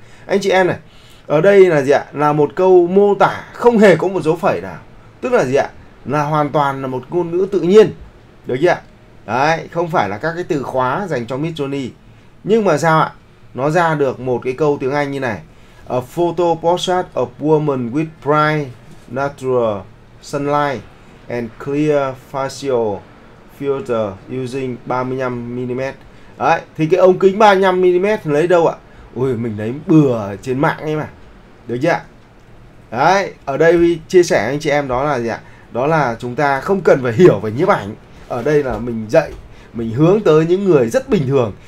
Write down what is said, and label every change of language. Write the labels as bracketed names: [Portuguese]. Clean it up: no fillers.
[Vietnamese] Anh chị em này, ở đây là gì ạ? Là một câu mô tả không hề có một dấu phẩy nào. Tức là gì ạ? Là hoàn toàn là một ngôn ngữ tự nhiên. Được chưa ạ? Đấy, không phải là các cái từ khóa dành cho Midjourney. Nhưng mà sao ạ? Nó ra được một cái câu tiếng Anh như này. [English] A photo portrait of woman with bright natural sunlight and clear facial filter using 35 mm. [Vietnamese] Đấy, thì cái ống kính 35 mm lấy đâu ạ? Ui, mình lấy bừa trên mạng ấy mà. Được chưa ạ? Đấy, ở đây Huy chia sẻ anh chị em đó là gì ạ? Đó là chúng ta không cần phải hiểu về nhiếp ảnh. Ở đây là mình dạy, mình hướng tới những người rất bình thường.